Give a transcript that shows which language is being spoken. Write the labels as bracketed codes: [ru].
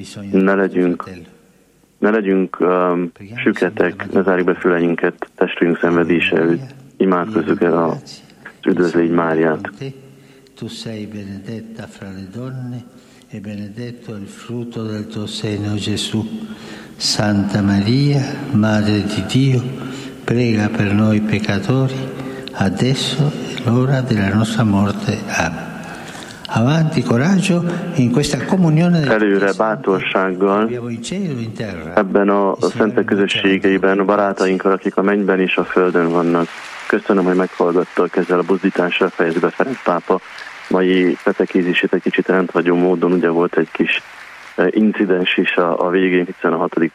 [hu] Ne legyünk süketek, ne zárjuk be füleinket testvérünk szenvedése előtt. Imádkozzuk el az üdvözlégy Máriát. [it] Tu sei benedetta fra le donne e benedetto il frutto del tuo seno, Gesù. Santa Maria, Madre di Dio, prega per noi peccatori, adesso è l'ora della nostra morte. Amen. Avanti, coraggio, in questa comunione [hu] előre bátorsággal ebben a szentek közösségeiben, a barátainkkal, akik a mennyben és a földön vannak. Köszönöm, hogy meghallgattak, ezzel a buzdításra fejezve Ferenc pápa mai petekézését egy kicsit rendhagyó módon, ugye volt egy kis incidens is a végén, hiszen a 6.